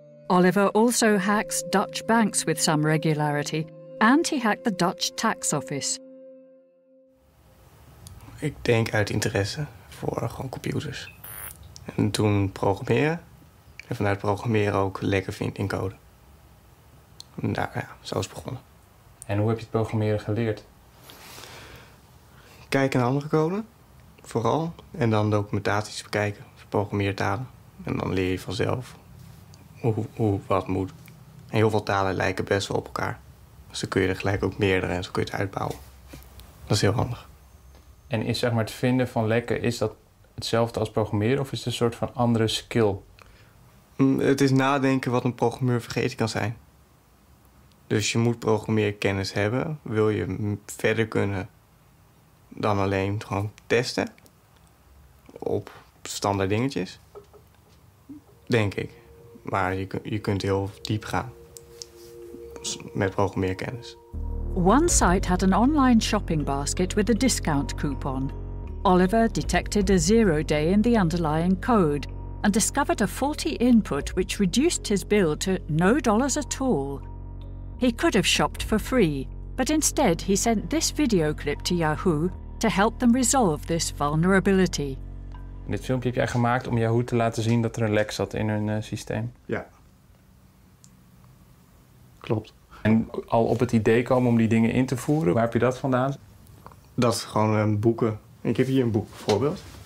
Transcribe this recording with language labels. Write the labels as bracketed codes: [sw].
[en] Oliver also hacks Dutch banks with some regularity, and he hacked the Dutch tax office. [nl] Ik denk uit interesse voor gewoon computers. En toen programmeren. En vanuit programmeren ook lekker vind in code. Nou ja, zo is het begonnen. En hoe heb je het programmeren geleerd? Kijken naar andere code, vooral. En dan documentaties bekijken, programmeertalen. En dan leer je vanzelf hoe wat moet. En heel veel talen lijken best wel op elkaar. Dus dan kun je er gelijk ook meerdere en zo kun je het uitbouwen. Dat is heel handig. En is zeg maar het vinden van lekken, is dat hetzelfde als programmeren of is het een soort van andere skill? Het is nadenken wat een programmeur vergeten kan zijn. Dus je moet programmeerkennis hebben. Wil je verder kunnen dan alleen gewoon testen op standaard dingetjes? Denk ik. Maar je kunt heel diep gaan met programmeerkennis. [en] One site had an online shopping basket with a discount coupon. Oliver detected a 0 day in the underlying code and discovered a faulty input which reduced his bill to no dollars at all. He could have shopped for free, but instead he sent this video clip to Yahoo to help them resolve this vulnerability. [nl] In dit filmpje heb jij gemaakt om Yahoo te laten zien dat er een lek zat in hun systeem. Ja. Klopt. En al op het idee komen om die dingen in te voeren, waar heb je dat vandaan? Dat is gewoon boeken. Ik heb hier een boek bijvoorbeeld.